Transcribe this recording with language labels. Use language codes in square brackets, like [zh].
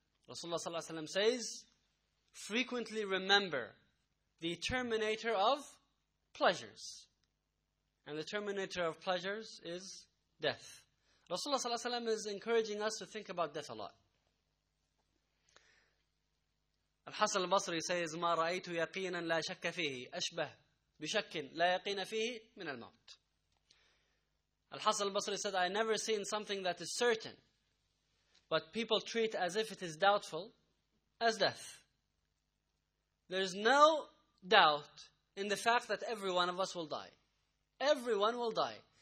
[en] Rasulullah sallallahu alayhi wa sallam says, frequently remember the terminator of pleasures. And the terminator of pleasures is death. Rasulullah sallallahu alayhi wa sallam is encouraging us to think about death a lot. [ar] Al-Hasan al-Basri says, ما رأيت يقينا لا شك فيه أشبه بشك لا يقين فيه من الموت. [en] Al-Hasan al-Basri said, I never seen something that is certain, but people treat as if it is doubtful, as death. There's no doubt in the fact that every one of us will die. Everyone will die.